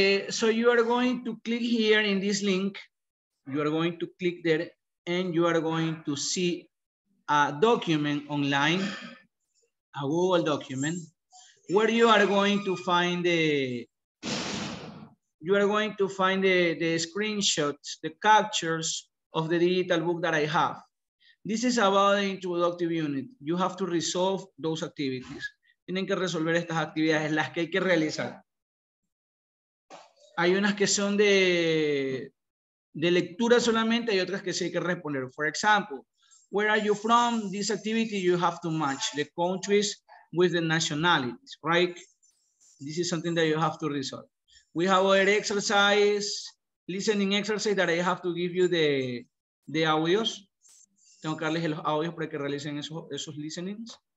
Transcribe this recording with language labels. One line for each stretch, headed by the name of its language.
English: So you are going to click here in this link. You are going to click there and you are going to see a document online, a Google document, where you are going to find the the screenshots, the captures of the digital book that I have. This is about the introductory unit. You have to resolve those activities.
Spanish: Tienen que resolver estas actividades, las que hay que realizar. Hay unas que son de lectura solamente, hay otras que sí hay que responder.
English: For example, where are you from? This activity you have to match the countries with the nationalities, right? This is something that you have to resolve. We have other exercise, listening exercise that I have to give you the audios.
Spanish: Tengo que darles los audios para que realicen esos listenings.